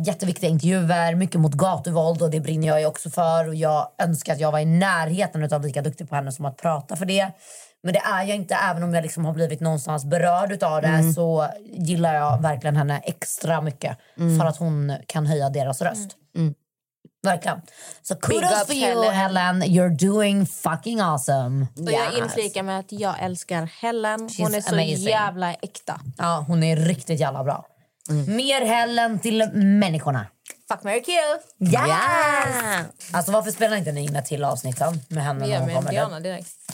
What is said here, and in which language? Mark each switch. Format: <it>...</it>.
<sv>Jätteviktiga intervjuer, mycket mot gatuvåld. Och det brinner jag ju också för. Och jag önskar att jag var i närheten utav lika duktig på henne som att prata för det. Men det är jag inte, även om jag liksom har blivit någonstans berörd utav det. Mm. Så gillar jag verkligen henne extra mycket. Mm. För att hon kan höja deras röst. Mm. Verkligen. Så kudos för</sv> <en>you</en> <sv>Helen.</sv> <en>You're doing fucking awesome.</en> <sv>Och yes. Jag inflikar med att jag älskar Helen. Hon</sv> <en>She's</en> <sv>är</sv> <en>amazing.</en> <sv>Så jävla äkta. Ja, hon är riktigt jävla bra. Mm. Mer Helen till människorna.</sv> <en>Fuck, marry, kill.</en> <sv>Yes. Alltså varför spelar inte ni in ett till avsnitt med henne? Vi gör med Diana direkt.</sv>